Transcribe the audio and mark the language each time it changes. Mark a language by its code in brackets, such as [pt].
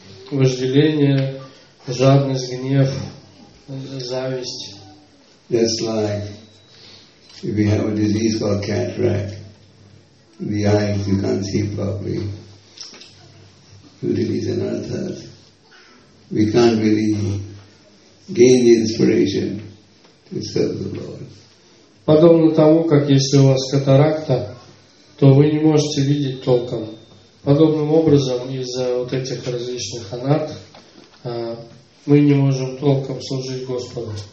[ru] Вожделение, жадность, гнев, зависть. [en] Just like if we have a disease called cataract, the eyes you can't see properly. We can't really gain the inspiration to serve the Lord. [ru] Подобно тому, как если у вас катаракта, то вы не можете видеть толком. Подобным образом, из-за вот этих различных анат, мы не можем толком служить Господу.